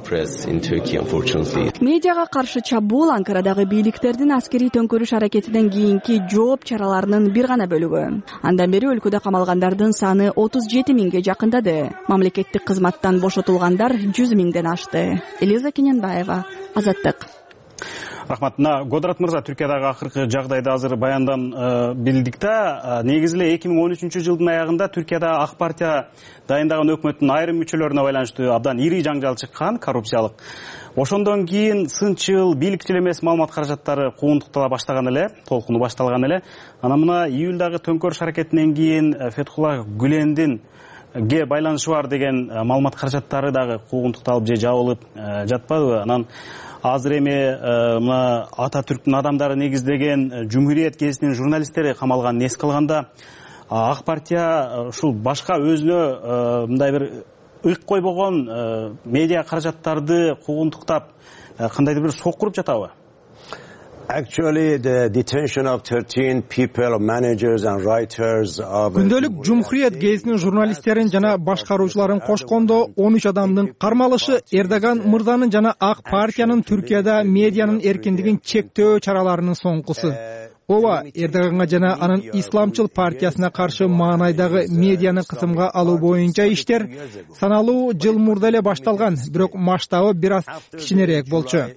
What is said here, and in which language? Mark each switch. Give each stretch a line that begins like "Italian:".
Kyrgyz: Медиага каршы чабуул Анкарадагы бийликтердин аскерий төңкөрүш аракетинен кийинки жооп чараларынын бир гана бөлүгү. Андан бери өлкөдө камалгандардын саны 37 миңге жакындады. Мамлекеттик кызматтан бошотулгандар 100 миңден ашты. Элиза Кененбаева, Азаттык. Рахмат. Годрат мырза, Түркиядагы акыркы жагдайды азыр баяндан билдик да, негизи эле 2013 жылдын аягында Түркияда Ак партия дайындаган өкмөттүн айрым мүчөлөрүнө байланыштуу абдан ири жаңжал чыккан, коррупциялык. Ошондон кийин сынчыл, бийликчил эмес маалымат каражаттары куундуктала баштаган эле, толкуну башталган эле. Анан мына июлдагы төңкөрүш аракетинен кийин Фетхулла Гүлендин ге байланышы бар деген маалымат каражаттары дагы куугунтукталып же жабылып жатпайбы? Анан азыр эми мына Ататүрктүн адамдары негиздеген Жумхуриет гезитинин журналисттери камалганын эске алганда, Ак партия ушул башка өзүнө мындай бир ыйык койбогон медиа каражаттарды куугунтуктап кандайдыр бир сок куруп жатабы?
English: Actually, the detention of 13 people, managers and writers of.
Kyrgyz: Күндөлүк Жумхуриет гезитинин журналисттерин жана башкаруучуларын кошкондо 13 адамдын кармалышы Эрдоган мырзанын жана Ак партиянын Түркияда медианын эркиндигин чектөө чараларынын соңкусу. Ооба, Эрдоганга жана анын исламчыл партиясына каршы маанайдагы медианы кысымга алуу боюнча иштер саналуу жыл мурда эле башталган, бирок масштабы бир аз кичинерээк болчу.